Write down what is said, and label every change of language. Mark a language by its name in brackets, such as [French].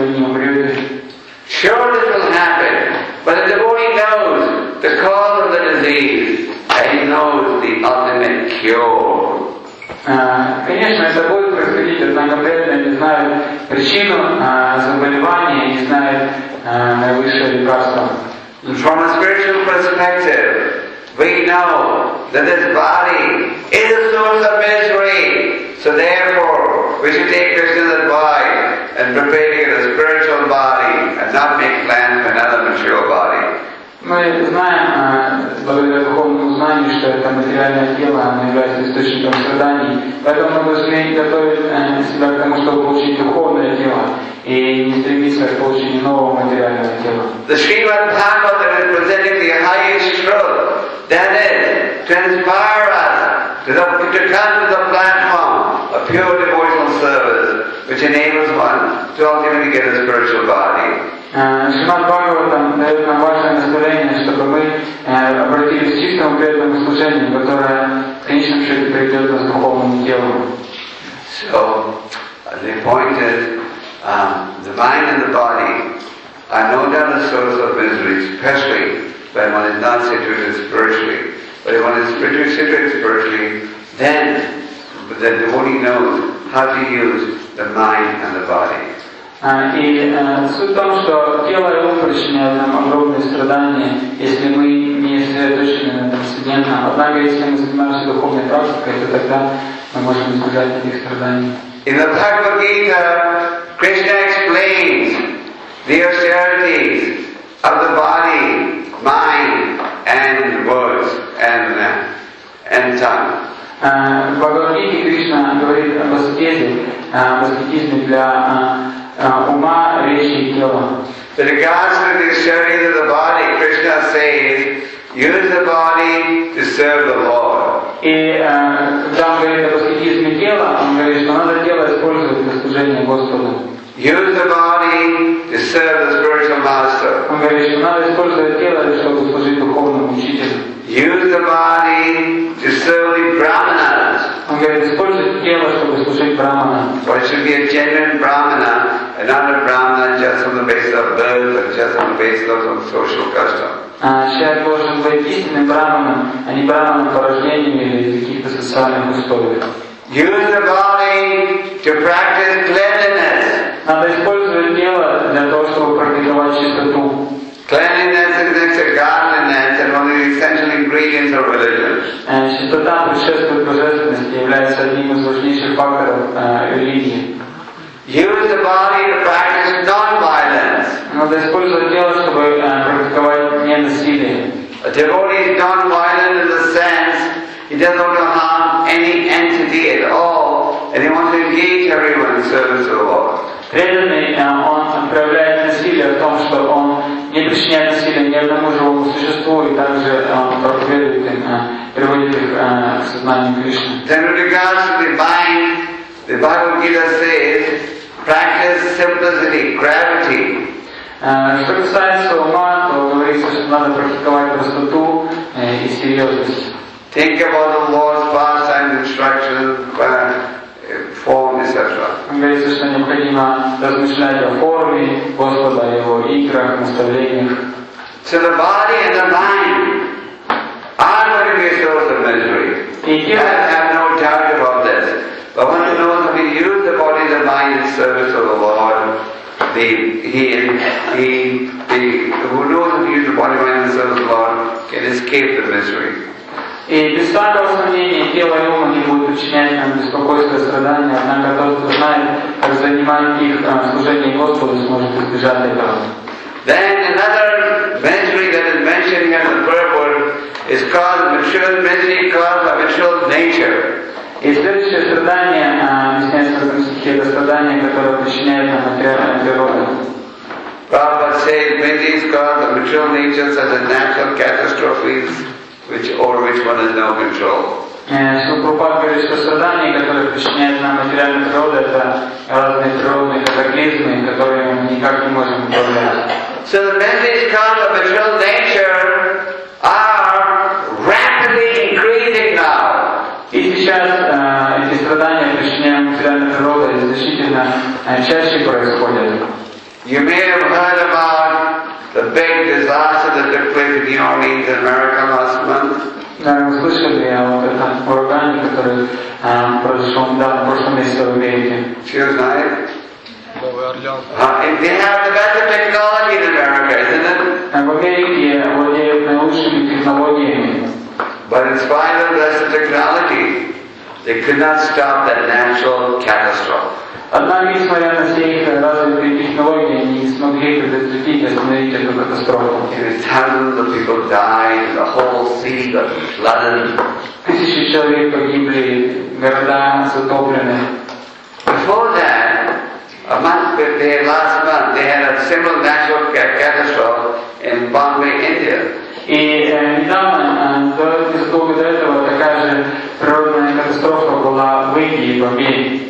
[English] Sure this will happen, but the devotee knows the cause of the disease and he knows the ultimate cure. [Russian] Конечно, это будет происходить, однако преданные не знают причину заболевания, не знают наивысшее лекарство. [English] From a spiritual perspective, we know that this body is a source of misery, so therefore we should take Krishna's advice and prepare it a spiritual body and not make plans for another material body. [Russian] мы знаем, благодаря духовному знанию, что это материальное тело, оно является источником страданий. Поэтому мы должны готовить себя к тому, чтобы получить духовное тело и не стремиться к получению нового материального тела. [English] The Srimad Bhagavatam is presenting the highest truth. That is, transpire us to come to the platform of pure devotional service, which enables one to ultimately get a spiritual body. [Russian] Шримад Бхагаватам дает нам важное наставление, чтобы мы обратились к чистому преданному служению, которое в конечном счете приведет нас к духовному телу. [English] So, the point is, the mind and the body are no doubt a source of misery, especially when one is not situated spiritually. But if one is situated spiritually, then the devotee knows how to use the mind and the body. [Russian] И суть в том, что тело и ум причиняют нам огромные страдания, если мы не сосредоточены на этом сиденье. Однако, если мы занимаемся духовной практикой, то тогда мы можем избежать этих страданий. [English] In the Bhagavad Gita, Krishna explains the austerities of the body, mind, and words, and tongue. [Russian] В Bhagavad Gita Krishna говорит об аскезе, об аскетизме для ума, речи и тела. [English] The regards to the austerities of the body, Krishna says, use the body to serve the Lord. [Russian] И когда он говорит об аскетизме тела, он говорит, что надо тело использовать для служения Господу. [English] Use the body to serve the spiritual master. [Russian] Он говорит, что надо использовать тело, чтобы служить духовному учителю. [English] Use the body to serve the brahmanas. [Russian] Он говорит, используйте тело, чтобы служить брахманам. [English] But it should be a genuine brahmana, and not a brahmana just on the basis of birth or just on the basis of some social custom. [Russian] Человек должен быть истинным брахманом, а не брахманом по рождению или каких-то социальных условий. [English] Use the body to practice cleanliness. [Russian] Надо использовать тело для того, чтобы практиковать чистоту. [English] Cleanliness is next to godliness, and one of the essential ingredients of religion. [Russian] And чистота предшествует божественности, является одним из важнейших факторов религии. [English] Use the body to practice non-violence. [Russian] Надо использовать тело, чтобы практиковать ненасилие. [English] A devotee is non-violent in the sense he doesn't want to harm any entity at all, and he wants to engage everyone in service of the Lord. [Russian] Преданный, он проявляет насилие в том, что он не причиняет насилие ни одному живому существу, и также проповедует им, приводит их к сознанию Кришны. [English] Then with regards to the mind, the Bhagavad Gita says, practice simplicity, gravity. [Russian] Что касается ума, то говорится, что надо практиковать простоту и серьезность. [English] Think about the Lord's pastime instruction, form, etc. [Russian] Он говорит, что необходимо размышлять о форме Господа, о его играх, наставлениях. [English] So the body and the mind are going to be a source of misery. I have no doubt about this. But when you know that we use the body and the mind in service of the Lord, who knows how to use the body and mind in service of the Lord can escape the misery. [Russian] И без всякого сомнения, тело и ум не будут причинять нам беспокойство и страдания, однако тот, кто знает, как занимает их служение Господу, сможет избежать этого. [English] Then another misery that is mentioned here in the purport is called material misery, caused by material nature. [Russian] И следующее страдание, объясняется в этом стихе, это страдание, которое причиняет нам материальная природа. [English] Prabhupada says, misery is caused by material nature, such as natural catastrophes, which one has no control. [Russian] Прабхупада говорит, что страдания, которые причиняют нам материальная природа, это разные природные катаклизмы, которые мы никак не можем управлять. [English] So the misery caused by material nature are rapidly increasing now. [Russian] И сейчас эти страдания, причиняемые материальной природой, значительно чаще происходят. [English] You may have heard about the big disaster that took place in New Orleans, America, last month. [Russian] Наверное, слышали о вот этом урагане, который произошел в прошлом месяце в Америке. Cheers, Nayak. [English] They have the best technology in America, isn't it? [Russian] В Америке владеют наилучшими технологиями. [English] But in spite of the best technology, They could not stop that natural catastrophe. [Russian] Однако несмотря на все их развитые технологии, они не смогли предотвратить, остановить эту катастрофу. [English] Thousands of people died. The whole city got flooded. [Russian] Тысячи человек погибли, города затоплены. [English] Before that, a month there, last month, they had a similar natural catastrophe in Bombay, India. [Russian] И недавно, до этого, такая же природная катастрофа была в Индии, в Бомбее.